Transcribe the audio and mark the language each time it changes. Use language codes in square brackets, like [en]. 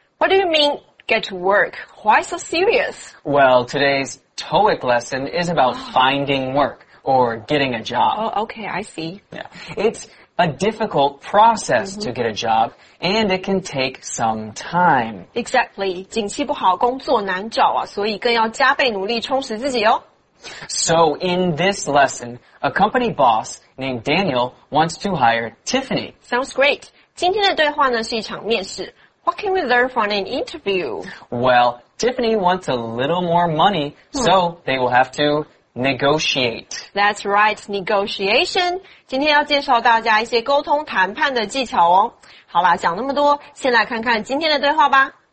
[en] What do you mean, get to work? Why so serious? Well, today's TOEIC lesson is about finding work or getting a job. Oh, okay, I see. Yeah. It's a difficult process to get a job, and it can take some time. Exactly. [zh] 景气不好，工作难找啊，所以更要加倍努力充实自己哦。 [en] So in this lesson, a company boss named Daniel wants to hire Tiffany. Sounds great. [zh] 今天的对话呢是一场面试。 [en] What can we learn from an interview? Well, Tiffany wants a little more money, so they will have to negotiate. That's right, negotiation. [zh] 今天要介绍大家一些沟通谈判的技巧哦。好啦，讲那么多，先来看看今天的对话吧。